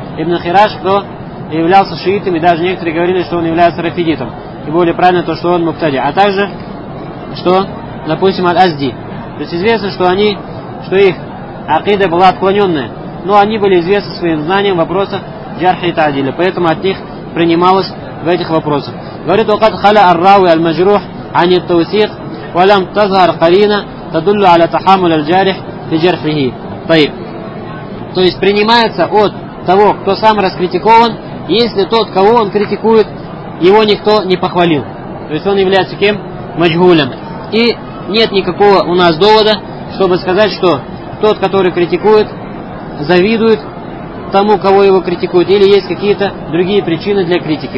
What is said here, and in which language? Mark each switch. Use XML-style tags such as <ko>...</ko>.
<ru>Ибн Хираш, кто являлся шиитом, и даже некоторые говорили, что он является рафидитом. И более правильно то, что он муктади. А также, что, допустим, Аль-Азди. То есть известно, что они, что их акида была отклоненная. Но они были известны своим знанием в вопросах джарха и тадиля. Поэтому от них принималось в этих вопросах. Говорит,</ru> <ar>وقد خلى الراوي المجروح عن التوثيق ولم تظهر قرينة تدل على تحمل الجارح لجرحه. طيب.</ar> <ru>То есть принимается от того, кто сам раскритикован, если тот, кого он критикует, его никто не похвалил. То есть он является кем? Маджгулем. И нет никакого у нас довода, чтобы сказать, что тот, который критикует, завидует тому, кого его критикуют, или есть какие-то другие причины для критики.</ru>